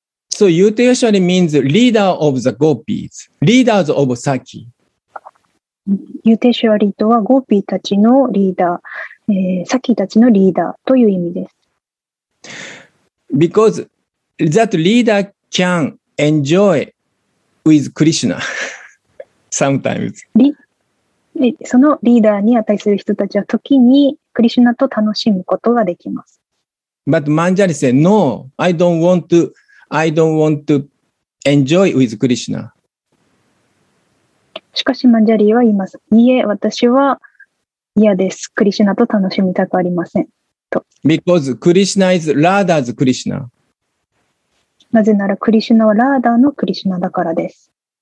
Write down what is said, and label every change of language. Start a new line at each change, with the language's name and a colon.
English: So, Yuteswari means leader of the gopis, leaders of Saki.
Japanese: ユテシュアリとはゴーピーたちのリーダー、サキたちのリーダーという意味です。
English: Because that leader can enjoy with Krishna sometimes.
Japanese: そのリーダーに値する人たちは時にクリシュナと楽しむことができます。
English: But Manjari said, No, I don't want to enjoy with Krishna.
Japanese: しかしマンジャリーは言います。いいえ、私は嫌です。クリシュナと楽しみたくありません。と。
English: Because Krishna is Radha's Krishna.
Japanese: なぜならクリシュナはラーダのクリシュナだからです。